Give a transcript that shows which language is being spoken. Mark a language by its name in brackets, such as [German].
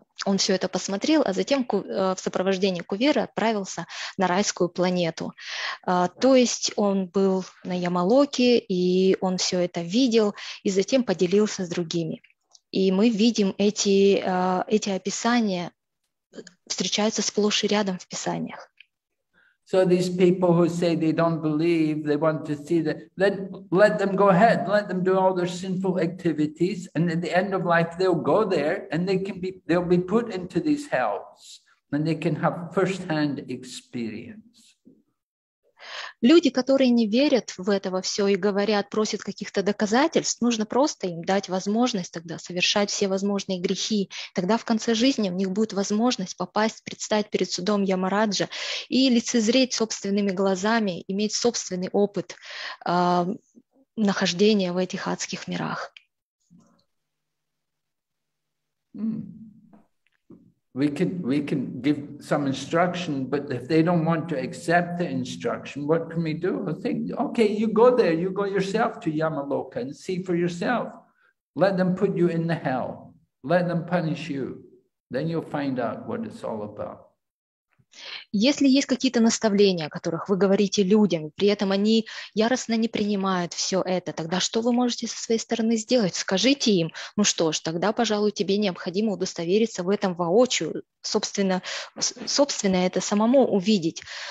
[Russian] Он все это посмотрел, а затем в сопровождении Куверы отправился на райскую планету. То есть он был на Ямалоке, и он все это видел, и затем поделился с другими. И мы видим эти описания, встречаются сплошь и рядом в писаниях. [English] So these people who say they don't believe, they want to see that, then let them go ahead, let them do all their sinful activities, and at the end of life they'll go there and they'll be put into these hells and they can have first-hand experience. [Russian] Люди, которые не верят в это во все и говорят, просят каких-то доказательств, нужно просто им дать возможность тогда совершать все возможные грехи. Тогда в конце жизни у них будет возможность попасть, предстать перед судом Ямараджа и лицезреть собственными глазами, иметь собственный опыт нахождения в этих адских мирах. [English] We can give some instruction, but if they don't want to accept the instruction, what can we do? I think, okay, you go there, you go yourself to Yamaloka and see for yourself. Let them put you in the hell. Let them punish you. Then you'll find out what it's all about. [Russian] Если есть какие-то наставления, о которых вы говорите людям, при этом они яростно не принимают все это, тогда что вы можете со своей стороны сделать? Скажите им, ну что ж, тогда, пожалуй, тебе необходимо удостовериться в этом воочию, собственно это самому увидеть.